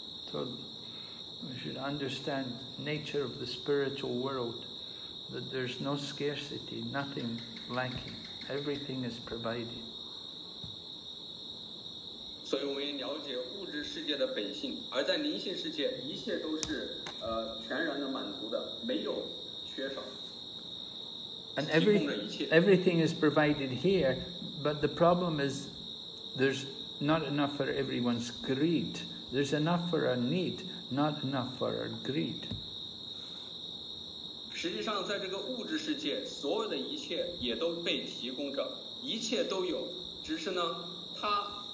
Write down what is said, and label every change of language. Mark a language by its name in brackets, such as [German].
[English] So we should understand nature of the spiritual world, that there's no scarcity, nothing lacking, everything is provided. [Chinese] 所以我们也了解物质世界的本性，而在灵性世界，一切都是全然的满足的，没有缺少。 [English] And everything is provided here, but the problem is, there's not enough for everyone's greed. There's enough for our need, not enough for our greed. [Chinese] 实际上，在这个物质世界，所有的一切也都被提供着，一切都有，只是呢，它。